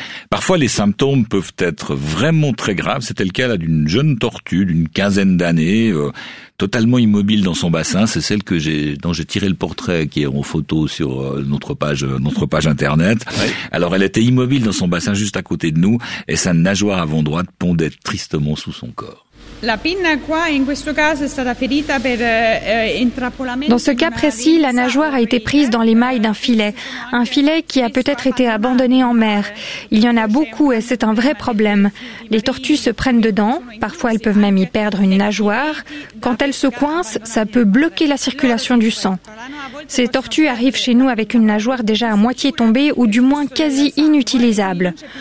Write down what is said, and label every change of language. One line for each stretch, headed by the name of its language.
French: Parfois, les symptômes peuvent être vraiment très graves. C'était le cas là, d'une jeune tortue d'une quinzaine d'années, totalement immobile dans son bassin. C'est celle dont j'ai tiré le portrait, qui est en photo sur notre page internet. Oui. Alors, elle était immobile dans son bassin juste à côté de nous, et sa nageoire avant droite pondait tristement sous son corps.
Italian: La pinna qua in questo caso è stata ferita per intrappolamento.
French: Dans ce cas précis, la nageoire a été prise dans les mailles d'un filet, un filet qui a peut-être été abandonné en mer. Il y en a beaucoup et c'est un vrai problème. Les tortues se prennent dedans, parfois elles peuvent même y perdre une nageoire. Quand elles se coincent, ça peut bloquer la circulation du sang. Ces tortues arrivent chez nous avec une nageoire déjà à moitié tombée ou du moins quasi inutilisable.